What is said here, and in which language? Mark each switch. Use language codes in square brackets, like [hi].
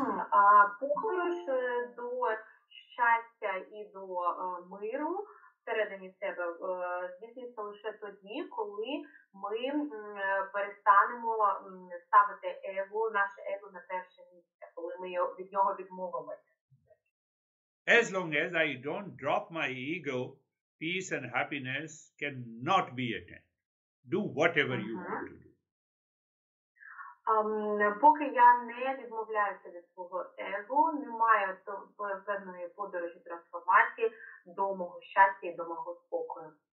[uk] А подорож до щастя і до миру всередині себе здійснюється лише тоді, коли ми перестанемо ставити его, наше его на перше місце, коли ми від нього відмовимося. [en] As long as I don't drop my ego, peace and happiness cannot be attained. Do whatever you want to do. [uk] Поки я не відмовляюся від свого его, немає певної подорожі трансформації до мого щастя і до мого спокою.